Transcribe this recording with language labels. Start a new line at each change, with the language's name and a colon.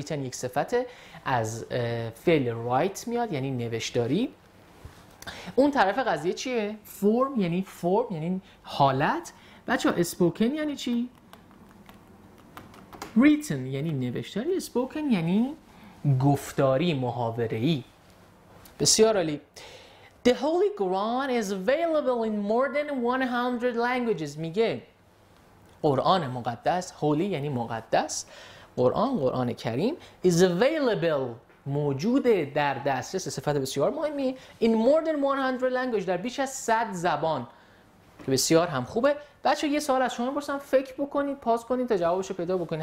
Persian: Written یک صفته، از فعل write میاد، یعنی نوشتاری. اون طرف قضیه چیه؟ فرم یعنی حالت. بچه ها اسپوکن یعنی چی؟ ریتن یعنی نوشتاری، اسپوکن یعنی گفتاری، محاوره‌ای. بسیار عالی.
English: The Holy Quran is available in more than 100 languages.
Persian: میگه قرآن مقدس، holy یعنی مقدس، قرآن کریم
English: is available،
Persian: موجوده، در دسترس، صفت بسیار مهمی،
English: in more than 100 language،
Persian: در بیش از 100 زبان، که بسیار هم خوبه. بچه یه سوال از شما برسم، فکر بکنید، پاس کنید تا جوابشو پیدا بکنید.